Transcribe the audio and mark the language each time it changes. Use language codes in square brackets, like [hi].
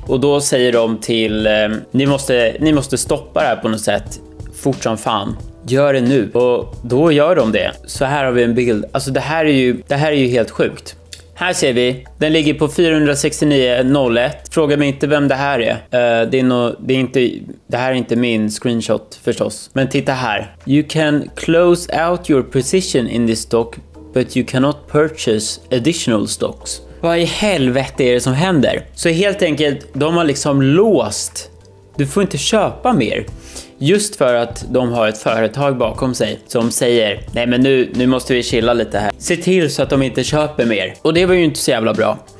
[sv] Och då säger de till, ni måste stoppa det här på något sätt, fort som fan. Gör det nu. Och då gör de det. Så här har vi en bild. Alltså det här är ju helt sjukt. Här ser vi. Den ligger på 469.01. Fråga mig inte vem det här är. Det här är inte min screenshot förstås. Men titta här. [en] You can close out your position in this stock, but you cannot purchase additional stocks. [sv] Vad i helvete är det som händer? Så helt enkelt, de har liksom låst. Du får inte köpa mer. Just för att de har ett företag bakom sig som säger, nej men nu måste vi chilla lite här. Se till så att de inte köper mer. Och det var ju inte så jävla bra.